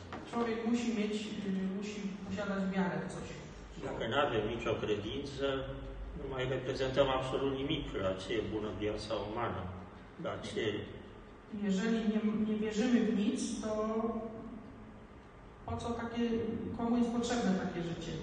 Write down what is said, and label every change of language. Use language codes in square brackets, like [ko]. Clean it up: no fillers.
[pl] Człowiek musi mieć, musi posiadać wiarę w coś. [ro] Dacă nu avem nicio credință, nu mai reprezentăm absolut nimic la ce e bună viața umană, la ce. [pl] Jeżeli nie wierzymy w nic, to po co takie, komu jest potrzebne takie życie?